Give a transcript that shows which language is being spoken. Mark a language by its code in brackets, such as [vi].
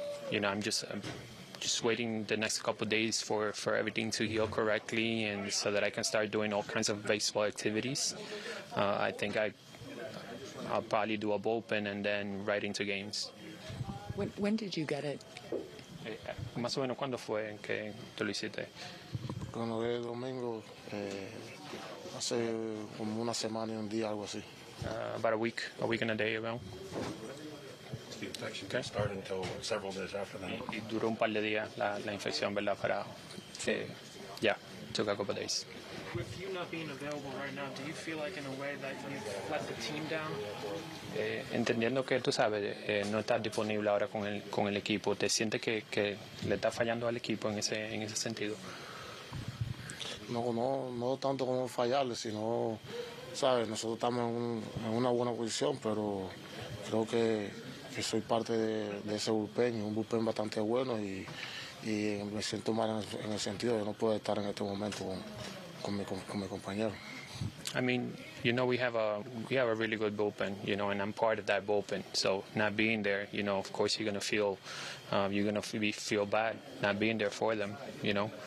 [en] You know, I'm just waiting the next couple of days for everything to heal correctly and so that I can start doing all kinds of baseball activities. I think I'll probably do a bullpen and then right into games. When did you get it? [es] Más o menos, ¿cuándo fue en que te lo hiciste? Cuando era el domingo, hace como una semana y un día, algo así. [en] About a week and a day ago. Okay. Start until several days after that. [es] Y duró un par de días la infección, ¿verdad? [en] Para, took a couple of days. With you not being available right now, do you feel like in a way that you've let the team down? [es] Entendiendo que tú sabes, no estás disponible ahora con el equipo, ¿te sientes que le estás fallando al equipo en ese sentido? No tanto como fallarle, sino, sabes, nosotros estamos en una buena posición, pero creo que soy parte de ese bullpen, un bullpen bastante bueno y me siento mal en el sentido de no poder estar en este momento con mi compañero. [en] I mean, you know, we have a really good bullpen, you know, and I'm part of that bullpen. So not being there, you know, of course you're gonna feel bad not being there for them, you know.